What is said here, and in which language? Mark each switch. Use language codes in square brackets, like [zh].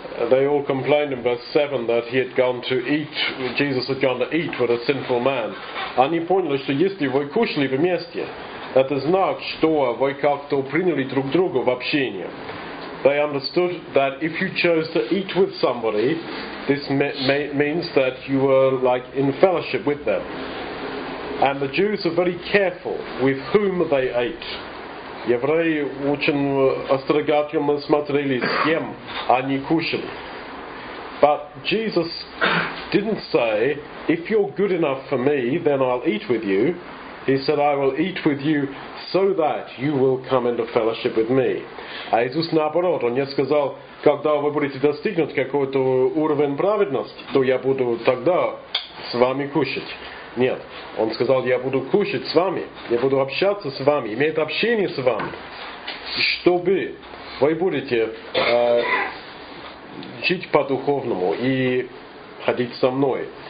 [en] They all complained in verse 7 that he had gone to eat, Jesus had gone to eat with a sinful man. [ru] Они поняли, что если вы кушали вместе, это знак, что вы как-то приняли друг друга в общение. [en] They understood that if you chose to eat with somebody, this means that you were like in fellowship with them. And the Jews are very careful with whom they ate. [ru] Евреи очень осторожно смотрели, с кем они кушали. [en] But Jesus didn't say, if you're good enough for me, then I'll eat with you. He said, I will eat with you so that you will come into fellowship with me. [ru] А Иисус наоборот, он не сказал, когда вы будете достигнуть какого-то уровня праведности, то я буду тогда с вами кушать. Нет, он сказал, я буду кушать с вами, я буду общаться с вами, иметь общение с вами, чтобы вы будете жить по-духовному и ходить со мной.